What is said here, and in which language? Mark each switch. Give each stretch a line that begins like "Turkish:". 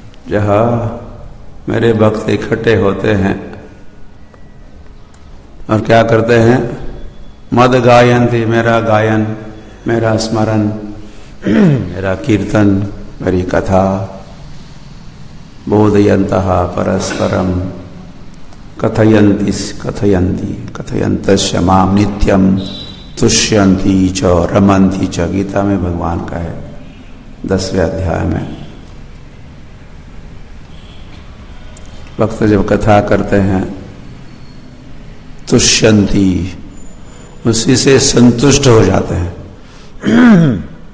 Hindi: जहां मेरे भक्त इकट्ठे होते हैं और क्या करते हैं, मद गायन्ति, मेरा गायन, मेरा स्मरण, मेरा कीर्तन, मेरी कथा,
Sanskrit: बोधयन्तः परस्परं कथयन्ति कथयन्ति कथयन्तस्य मां नित्यं तुष्यन्ति च रमन्ति च।
Hindi: गीता में भगवान का है, दसवें अध्याय में वक्त जब कथा करते हैं तुष्यन्ति, उसी से संतुष्ट हो जाते हैं।